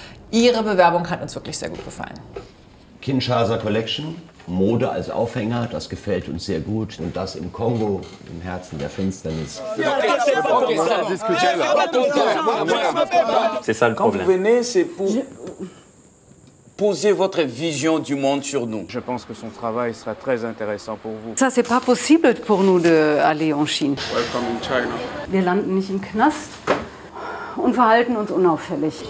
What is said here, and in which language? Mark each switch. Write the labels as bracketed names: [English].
[German] Ihre Bewerbung hat uns wirklich sehr gut gefallen. Kinshasa Collection, Mode als Aufhänger, das gefällt uns sehr gut. Und das im Kongo, im Herzen der Finsternis. [French] C'est ça le problème. Quand vous venez, c'est pour poser votre vision du monde sur nous. Je pense que son travail sera très intéressant pour vous. Ça, c'est pas possible pour nous d'aller en Chine. [English] Welcome in China. [German] Wir landen nicht im Knast und verhalten uns unauffällig.